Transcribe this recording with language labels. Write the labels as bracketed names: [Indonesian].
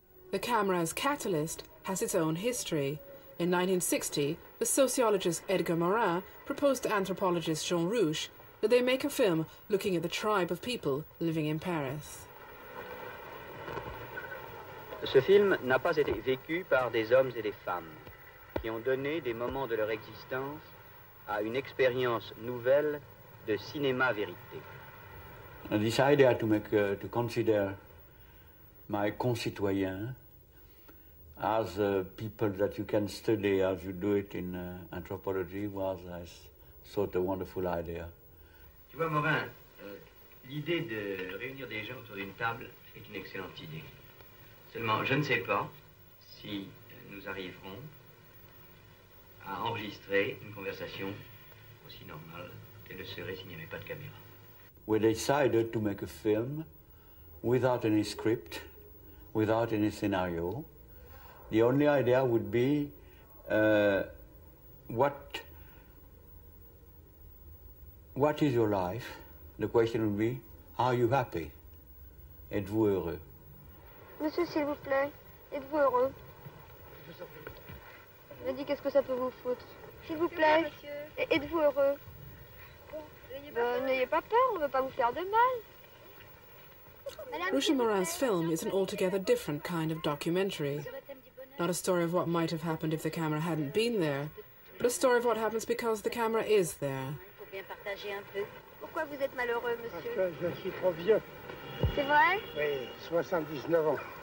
[English] The camera as catalyst has its own history. In 1960, the sociologist Edgar Morin proposed to anthropologist Jean Rouch that they make a film looking at the tribe of people living in Paris. [French] Ce film n'a pas été vécu par des hommes et des femmes qui ont donné des moments de leur existence à une expérience nouvelle de cinéma vérité. [English] This idea to consider my concitoyens as people that you can study as you do it in anthropology was, I thought, a wonderful idea. [French] Tu vois, Morin, l'idée de réunir des gens autour d'une table est une excellente idée. Seulement, je ne sais pas si nous arriverons à enregistrer une conversation aussi normale qu'elle le serait s'il n'y avait pas de caméra. [English] We decided to make a film without any script, without any scenario. The only idea would be what is your life? The question would be, are you happy? [French] Êtes-vous heureux? Monsieur, s'il vous plaît, êtes-vous heureux? Je me dis, qu'est-ce que ça peut vous foutre? S'il vous plaît, monsieur. Êtes-vous heureux? N'ayez pas peur, on ne veut pas vous faire de mal. [English] Rouch et Morin's film is an altogether different kind of documentary. Not a story of what might have happened if the camera hadn't been there, but a story of what happens because the camera is there. [French] Pourquoi vous êtes malheureux, monsieur? Parce que je suis trop vieux. C'est vrai? Oui, 79 ans. Non.